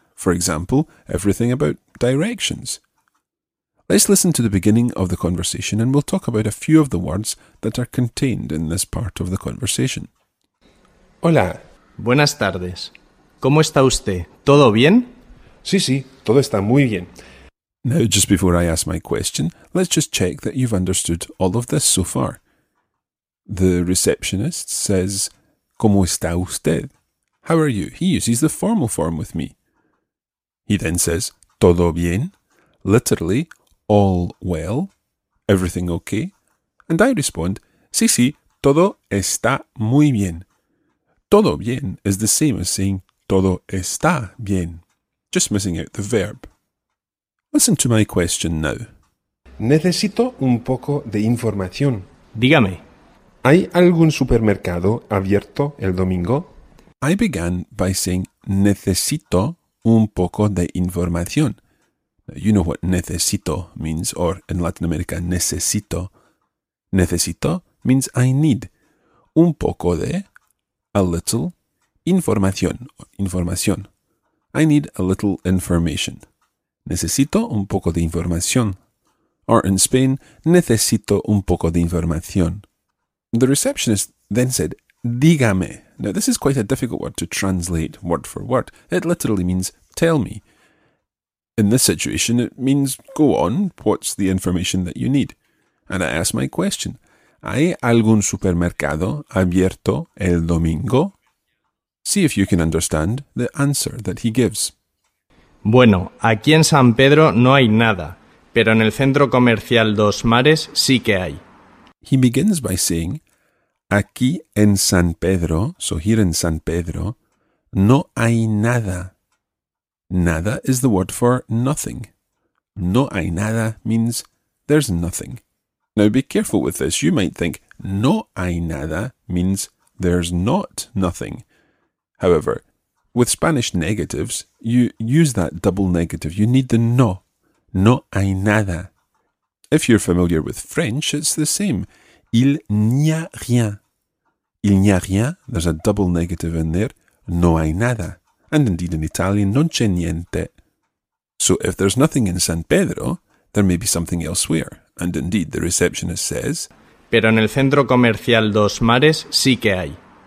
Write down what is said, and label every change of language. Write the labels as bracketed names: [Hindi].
[English] For example, everything about directions. Let's listen to the beginning of the conversation and we'll talk about a few of the words that are contained in this part of the conversation. [Spanish] Hola. Buenas tardes. ¿Cómo está usted? ¿Todo bien? Sí, sí, todo está muy bien. [English] Now, just before I ask my question, let's just check that you've understood all of this so far. The receptionist says, [Spanish] ¿Cómo está usted? [English] How are you? He uses the formal form with me. He then says, [Spanish] ¿Todo bien? [English] Literally, all well, everything okay. And I respond, [Spanish] Sí, sí, todo está muy bien. Todo bien [English] is the same as saying, [Spanish] Todo está bien, [English] just missing out the verb. Listen to my question now. [Spanish] Necesito un poco de información. Dígame. ¿Hay algún supermercado abierto el domingo? [English] I began by saying, [Spanish] necesito un poco de información. [English] You know what necesito means, or in Latin America, necesito. [Spanish] Necesito [English] means I need. [Spanish] Un poco de, [English] a little, [Spanish] información, información. [English] I need a little information. [Spanish] Necesito un poco de información. Or in Spain, necesito un poco de información. [English] The receptionist then said, dígame. Now, this is quite a difficult word to translate word for word. It literally means, tell me. In this situation, it means, go on, what's the information that you need? And I asked my question. [Spanish] ¿Hay algún supermercado abierto el domingo? [English] See if you can understand the answer that he gives. [Spanish] Bueno, aquí en San Pedro no hay nada, pero en el centro comercial Dos Mares sí que hay. [English] He begins by saying, [Spanish] aquí en San Pedro, [English] so here in San Pedro, [Spanish] no hay nada. [English] Nada is the word for nothing. [Spanish] No hay nada [English] means there's nothing. Now be careful with this. You might think [Spanish] no hay nada [English] means there's not nothing. However, with Spanish negatives, you use that double negative. You need the no. [Spanish] No hay nada. [English] If you're familiar with French, it's the same. [French] Il n'y a rien. Il n'y a rien, [English] there's a double negative in there, [Spanish] no hay nada. [English] And indeed in Italian, [Italian] non c'è niente. [English] So if there's nothing in San Pedro, there may be something elsewhere. And indeed, the receptionist says, [Spanish] pero en el centro comercial Dos Mares sí que hay.